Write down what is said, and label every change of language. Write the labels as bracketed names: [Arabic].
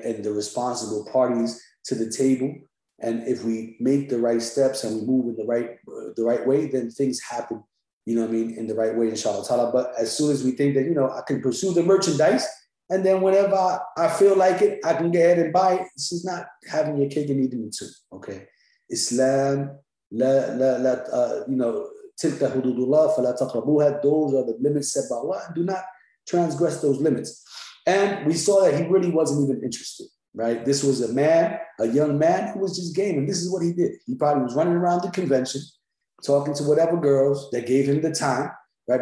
[English] And the responsible parties to the table. And if we make the right steps and we move in the right way, then things happen, you know what I mean, in the right way, inshallah ta'ala. But as soon as we think that, you know, I can pursue the merchandise, and then whenever I feel like it, I can get ahead and buy it. This is not having your cake and eating it too, okay? Islam [Arabic] لا لا لا [English] you know [Arabic] تلك حدود الله فلا تقربوها. [English] Those are the limits set by Allah. Do not transgress those limits. And we saw that he really wasn't even interested, right? This was a man, a young man who was just game. And this is what he did. He probably was running around the convention, talking to whatever girls that gave him the time, right?